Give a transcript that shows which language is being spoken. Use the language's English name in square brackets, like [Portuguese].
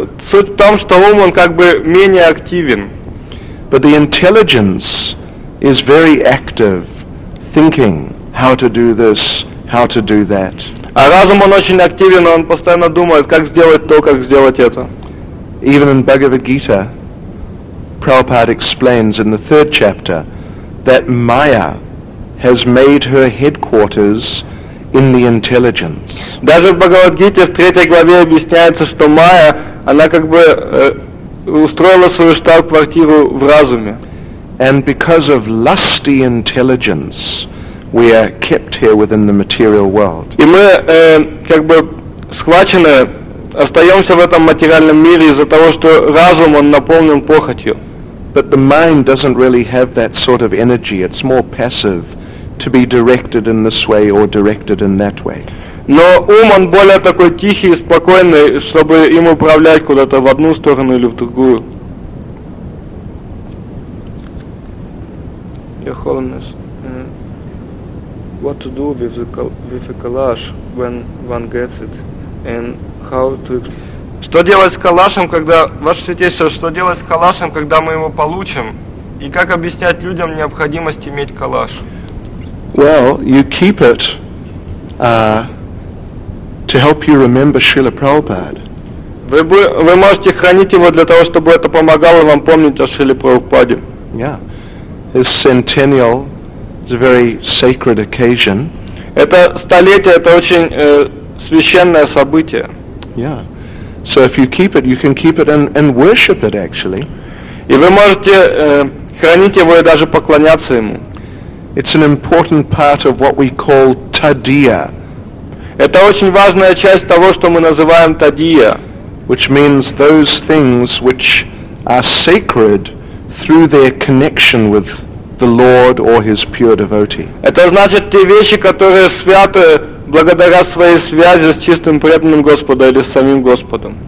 [Russian] Суть в том, что ум, он как бы менее активен. [English] But the intelligence is very active, thinking how to do this, how to do that. [Russian] А разум, он очень активен, он постоянно думает, как сделать то, как сделать это. [English] Even in Bhagavad Gita, Prabhupada explains in the third chapter that Maya has made her headquarters in the intelligence. [Russian] Даже в Бхагавад-гите в третьей главе объясняется, что Майя, она как бы устроила свою штаб-квартиру в разуме. [English] And because of lusty intelligence, we are kept here within the material world. [Russian] И мы как бы схвачены, остаемся в этом материальном мире из-за того, что разум, он наполнен похотью. [English] But the mind doesn't really have that sort of energy. It's more passive to be directed in this way or directed in that way. [Russian] Но ум, он более такой тихий и спокойный, чтобы им управлять куда-то в одну сторону или в другую. [English] Your Holiness, what to do with the kalash when one gets it, and how to? [Russian] Что делать с калашем, когда ваше святейшество, что делать с калашем, когда мы его получим, и как объяснять людям необходимость иметь калаш? [English] Well, you keep it to help you remember Srila Prabhupada. [Russian] Вы можете хранить его для того, чтобы это помогало вам помнить о Шриле Прабхупаде. [English] Yeah. His centennial is a very sacred occasion. [Russian] Это столетие, это очень священное событие. [English] Yeah. So if you keep it, you can keep it and worship it actually. [Russian] И вы можете хранить его и даже поклоняться ему. [English] It's an important part of what we call tadiya. [Russian] Это очень важная часть того, что мы называем тадия. [English] Which means those things which are sacred through their connection with the Lord or His pure devotee. [Russian] Это значит те вещи, которые святы благодаря своей связи с чистым преданным Господа или с самим Господом.